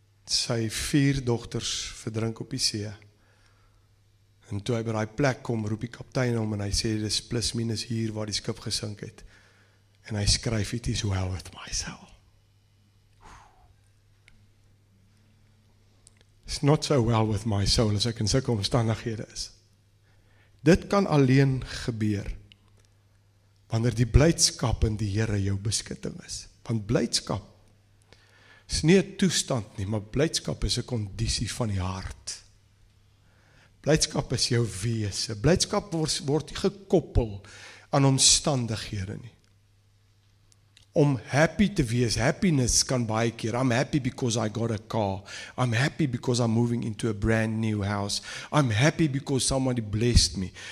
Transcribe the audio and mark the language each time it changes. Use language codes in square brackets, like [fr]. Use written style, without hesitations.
[af] Sy vier dogters verdrink op die see. En toe hy by die plek kom, roep die kaptein om en hy sê, dis plus minus hier waar die skip gesink het. En hy skryf, [en] it is well with myself. It's not so well with my soul as [af] ek in sulke omstandighede is. Dit kan alleen gebeur wanneer die blydskap in die Here jou beskutting is. Want blydskap is nie 'n toestand nie, maar blydskap is 'n kondisie van die hart. Blydskap is jou wese. Blydskap word nie gekoppel aan omstandighede nie. Om happy te wees, [en] happiness kan baie keer, I'm happy because I got a car, I'm happy because I'm moving into a brand new house, I'm happy because somebody blessed me.